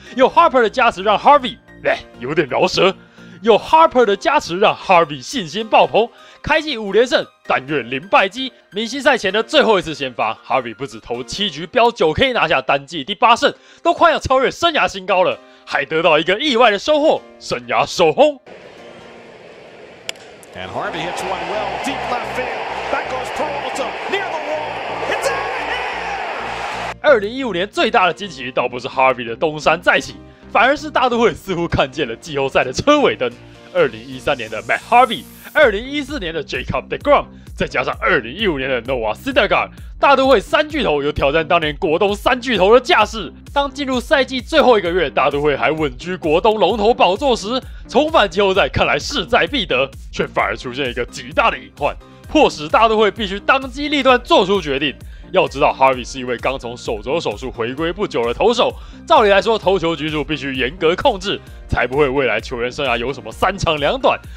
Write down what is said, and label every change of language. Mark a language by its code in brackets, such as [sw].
[zh] 有 Harper 的加持，让 Harvey 有点饶舌。有 Harper 的加持，让 Harvey 信心爆棚，开季五连胜，但愿零败绩。明星赛前的最后一次先发 ，Harvey 不止投七局飙九 K 拿下单季第八胜，都快要超越生涯新高了。还得到一个意外的收获，生涯首轰。 [en] And Harvey hits one well deep left field. That goes Peralta near the wall. It's in. [zh] 2015年最大的惊喜倒不是 Harvey 的东山再起，反而是大都会似乎看见了季后赛的车尾灯。 2013年的 Matt Harvey， 2014年的 Jacob DeGrom， 再加上2015年的 Noah Syndergaard。大都会三巨头又挑战当年国东三巨头的架势。当进入赛季最后一个月，大都会还稳居国东龙头宝座时，重返季后赛看来势在必得，却反而出现一个极大的隐患，迫使大都会必须当机立断做出决定。要知道 ，Harvey 是一位刚从手肘手术回归不久的投手，照理来说，投球局数必须严格控制，才不会未来球员生涯有什么三长两短。